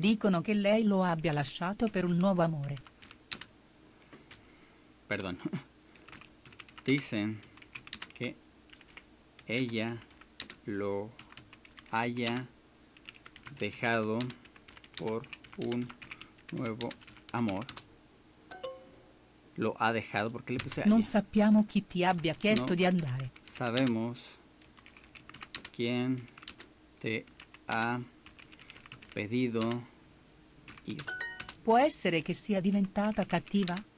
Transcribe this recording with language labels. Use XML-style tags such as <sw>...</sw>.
<it>Dicono che lei lo abbia lasciato per un nuovo amore.</it> <es>Perdón. Dicen que ella lo haya dejado por un nuevo amor. Lo ha dejado porque le puse a ella.</es> <it>Non sappiamo chi ti abbia chiesto di andare.</it> <es>Sabemos quién te ha pedido ir.</es> <it>Può essere che sia diventata cattiva?</it>